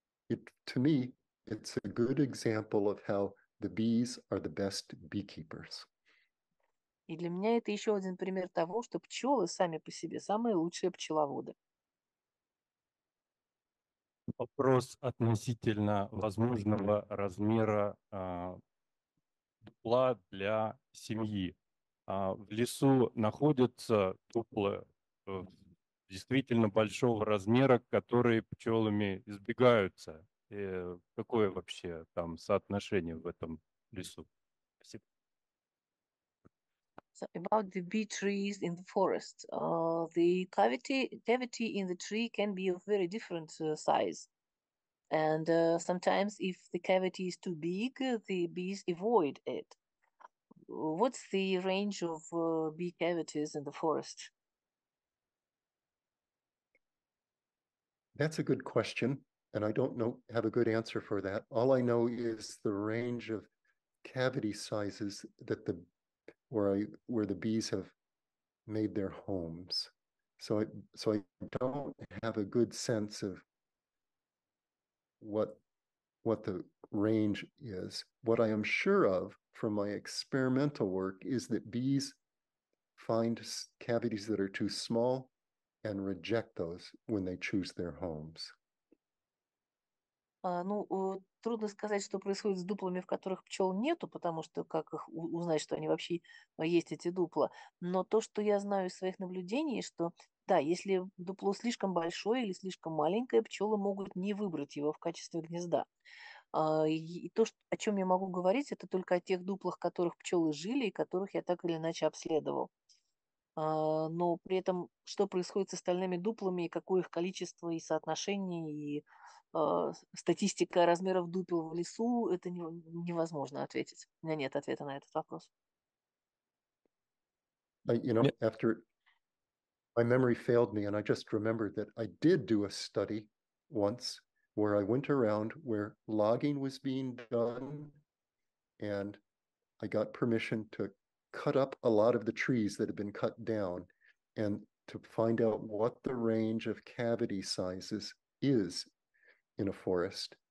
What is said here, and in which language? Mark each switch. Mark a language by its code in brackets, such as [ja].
[en] It, to me, it's a good example of how the bees are the best beekeepers. [ru] И для меня это еще один пример того, что пчелы сами по себе самые лучшие пчеловоды. Вопрос относительно возможного размера дупла для семьи. В лесу находятся дуплы действительно большого размера, которые пчелами избегаются. И какое вообще там соотношение в этом лесу? Спасибо. [en] So about the bee trees in the forest, the cavity in the tree can be of very different size. And sometimes if the cavity is too big, the bees avoid it. What's the range of bee cavities in the forest? That's a good question, and I don't know have a good answer for that. All I know is the range of cavity sizes that the where the bees have made their homes. So I don't have a good sense of what the range is. What I am sure of from my experimental work is that bees find cavities that are too small and reject those when they choose their homes. [ru] Трудно сказать, что происходит с дуплами, в которых пчел нету, потому что как их узнать, что они вообще есть, эти дупла. Но то, что я знаю из своих наблюдений, что да, если дупло слишком большое или слишком маленькое, пчелы могут не выбрать его в качестве гнезда. И то, о чем я могу говорить, это только о тех дуплах, в которых пчелы жили и которых я так или иначе обследовал. Но при этом, что происходит с остальными дуплами, и какое их количество и соотношение, и статистика размеров дупел в лесу, это невозможно ответить. У меня нет ответа на этот вопрос. [en] After my memory failed me, and I just remembered that I did do a study once where I went around where logging was being done, and I got permission to cut up a lot of the trees that had been cut down and to find out what the range of cavity sizes is in a forest.